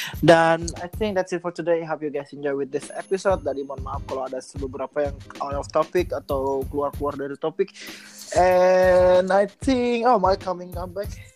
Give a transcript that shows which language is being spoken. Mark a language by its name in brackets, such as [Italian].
[English] Dan I think that's it for today. Hope you guys enjoy with this episode. [Indonesian] Dari mohon maaf kalau ada beberapa yang [English] out of topic [Indonesian] atau keluar dari topik. [English] And I think Malik coming back.